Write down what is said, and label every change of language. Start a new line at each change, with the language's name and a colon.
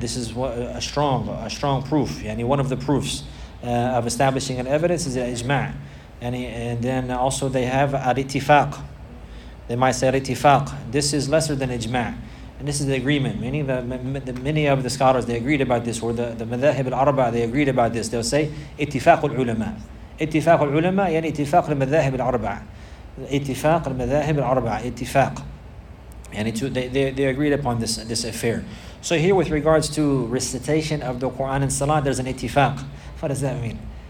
English: This is a strong proof, yani one of the proofs of establishing an evidence is ijma'. And then also they have al-ittifaq. They might say al-ittifaq. This is lesser than ijma'. And this is the agreement, meaning the many of the scholars, they agreed about this, or the madhahib al-arba, they agreed about this. They'll say ittifaq al-ulama.
Arabic: اتفاق العلماء يعني اتفاق المذاهب الأربعة. اتفاق المذاهب الأربعة. اتفاق.
English: يعني they agreed upon this affair. So here with regards to recitation of the Quran and Salah, there's an اتفاق. What does that mean?